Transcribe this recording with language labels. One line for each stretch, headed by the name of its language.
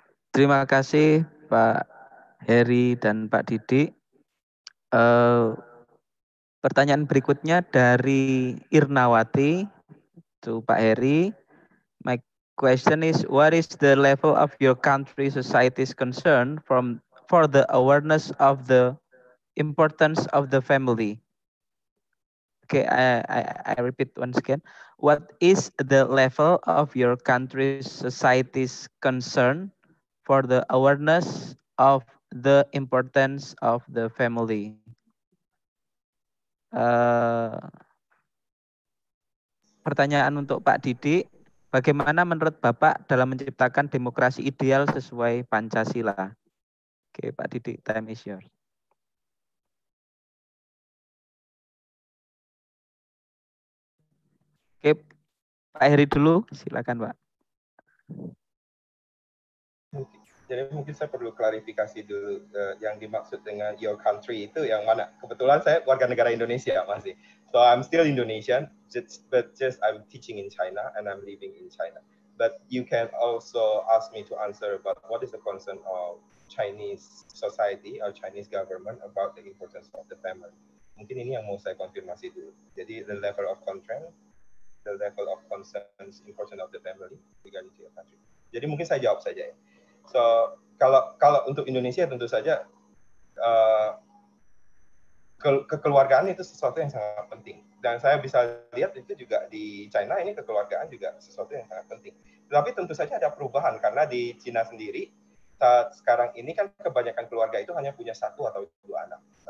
Indonesian: Terima kasih Pak Heri dan Pak Didik. Pertanyaan berikutnya dari Irnawati.
English: To Pak Heri. My question is, what is the level of your country society's concern for the awareness of the importance of the family? Okay, I repeat once again. What is the level of your country society's concern for the awareness of the importance of the family?
Indonesian: Pertanyaan untuk Pak Didik, bagaimana menurut Bapak dalam menciptakan demokrasi ideal sesuai Pancasila?
English: Oke, Pak Didik, time is yours.
Indonesian: Oke, Pak Heri dulu, silakan Pak. Jadi mungkin saya perlu klarifikasi dulu yang dimaksud dengan your country itu yang mana. Kebetulan saya warga negara Indonesia masih.
English: So I'm still Indonesian, but I'm teaching in China and I'm living in China. But you can also ask me to answer about what is the concern of Chinese society or Chinese government about the importance of the family.
Indonesian: Mungkin ini yang mau saya konfirmasi dulu.
English: Jadi the level of concern, importance of the family regarding your country.
Indonesian: Jadi mungkin saya jawab saja ya. So kalau untuk Indonesia tentu saja kekeluargaan itu sesuatu yang sangat penting. Dan saya bisa lihat itu juga di China, ini kekeluargaan juga sesuatu yang sangat penting. Tapi tentu saja ada perubahan karena di China sendiri saat sekarang ini kan kebanyakan keluarga itu hanya punya satu atau dua anak.